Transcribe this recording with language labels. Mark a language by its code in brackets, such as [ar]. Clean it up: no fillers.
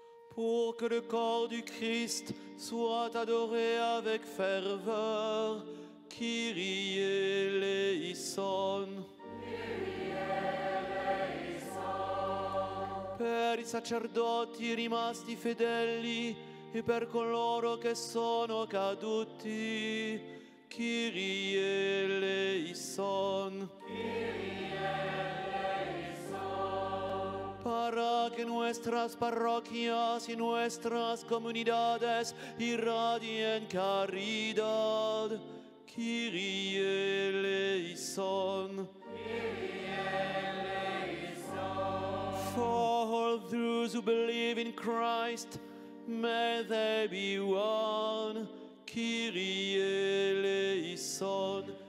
[fr] Pour que le corps du Christ soit adoré avec ferveur, Kyrie eleison. [el] Kyrie eleison. [it] Per i sacerdoti rimasti fedeli e per coloro che sono caduti, Kyrie eleison. [el] Kyrie eleison. [es] Para que nuestras parroquias y nuestras comunidades irradien caridad, Kyrie eleison. [el] Kyrie eleison. [en] For all those who believe in Christ, may they be one, Kyrie eleison.